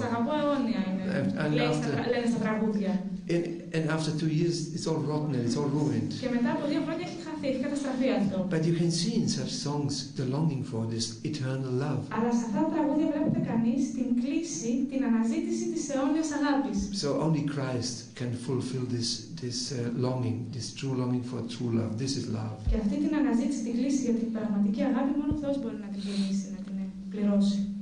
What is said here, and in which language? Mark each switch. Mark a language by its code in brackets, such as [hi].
[el] Σ' αγαπώ αιώνια είναι, λένε στα τραγούδια. [en] And after 2 years, it's all rotten and it's all ruined. [el] Και μετά από 2 χρόνια έχει χαθεί, έχει καταστραφεί αυτό. [en] But you can see in such songs the longing for this eternal love. [el] Αλλά σε αυτά τα τραγούδια βλέπετε κανείς την κλίση, την αναζήτηση της αιώνιας αγάπης. [en] So only Christ can fulfill this longing, this true longing for true love. This is love. [el] Και αυτή την αναζήτηση, την κλίση για την πραγματική αγάπη, μόνο ο Θεός μπορεί να την γεννήσει, να την πληρώσει.